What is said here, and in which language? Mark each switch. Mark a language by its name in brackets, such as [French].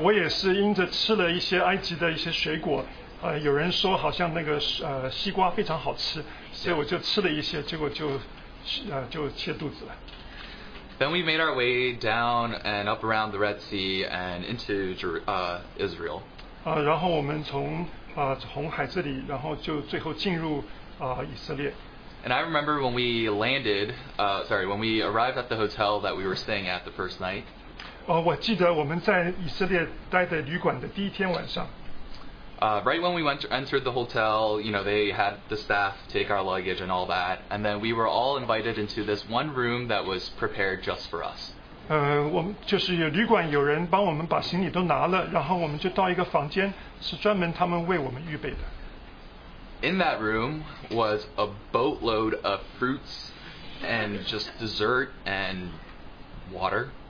[Chinese] 我也是因着吃了一些埃及的一些水果，有人说好像那个西瓜非常好吃，所以我就吃了一些，结果就切肚子了。 [English] Then we made our way down and up around the Red Sea and into Israel. [Chinese] 然后我们从红海这里，然后就最后进入以色列。 [English] And I remember when we landed, when we arrived at the hotel that we were staying at the first night. [Chinese] 我记得我们在以色列待的旅馆的第一天晚上。 [English] Right when we entered the hotel, you know, they had the staff take our luggage and all that, and then we were all invited into this one room that was prepared just for us. [Chinese] 我们就是有旅馆有人帮我们把行李都拿了，然后我们就到一个房间，是专门他们为我们预备的。 [English] In that room was a boatload of fruits and just dessert and water.